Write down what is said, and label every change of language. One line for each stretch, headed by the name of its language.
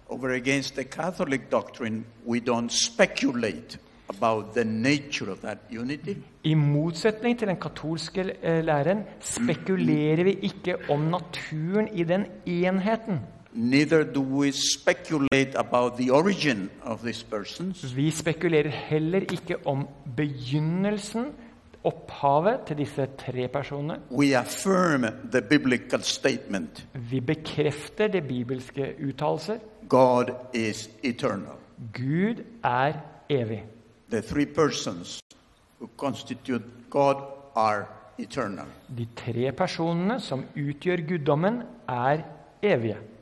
English: Over against the Catholic doctrine, we don't speculate about the nature of that unity.
Norwegian: I motsetning til den katolske læren, spekulerer vi ikke om naturen i den enheten.
English: Neither do we speculate about the origin of these persons.
Norwegian: Vi spekulerer heller ikke om begynnelsen opphavet til disse tre personene.
English: We affirm the biblical statement.
Norwegian: Vi bekrefter det bibelske uttalelse.
English: God is eternal.
Norwegian: Gud er evig.
English: The three persons who constitute God are eternal.
Norwegian: De tre personene som utgjør guddommen er evige.